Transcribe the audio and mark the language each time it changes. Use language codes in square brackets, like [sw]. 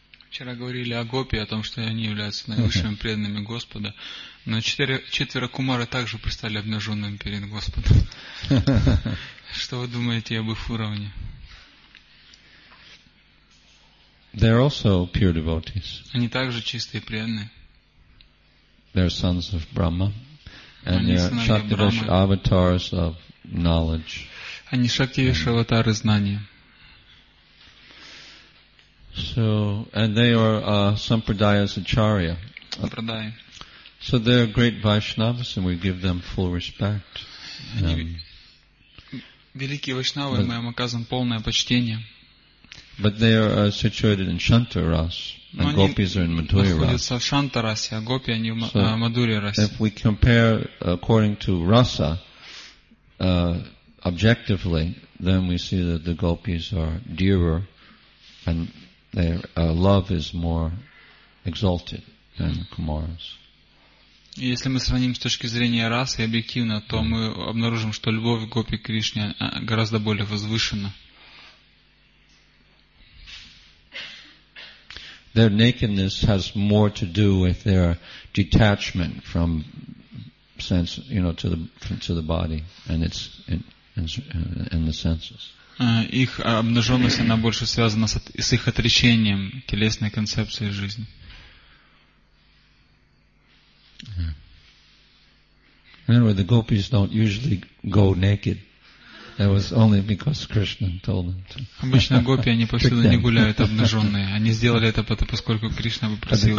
[ru] Вчера говорили о гопи, о том, что они являются наивысшими преданными Господа, но четверо кумары также пристали обнаженными перед Господом. Что вы думаете об их уровне? [en] They're also pure devotees. [ru] Они также чистые преданные. [en] They're sons of Brahma, and they're Shaktivesh avatars of knowledge. [ru] Они шактивиши аватары знания. [en] So, and they are sampradaya's acharya. Sampradaya. So they're great Vaishnavas, and we give them full respect. [ru] Великие вайшнавы, мы им оказываем полное почтение. [en] But they are situated in Shantaras, and gopis are in Madhurya-rasa. [ru] Они находятся в Шантарасе, а гопи они в Мадхурья-расе. [en] If we compare according to rasa, objectively, then we see that the gopis are dearer and their love is more exalted than kumaras. [ru] Если мы сравним с точки зрения расы объективно, то мы обнаружим, что любовь гопи Кришне гораздо более возвышена. [en] Their nakedness has more to do with their detachment from sense, you know, to the body and its in the senses. [ru] Их обнаженность она больше связана с их отречением телесной концепции жизни. [en] Anyway, the gopis don't usually go naked. That was only because Krishna told them to. [ru] Обычно гопи они повсюду не гуляют обнаженные. Они сделали это потому, поскольку Кришна попросил.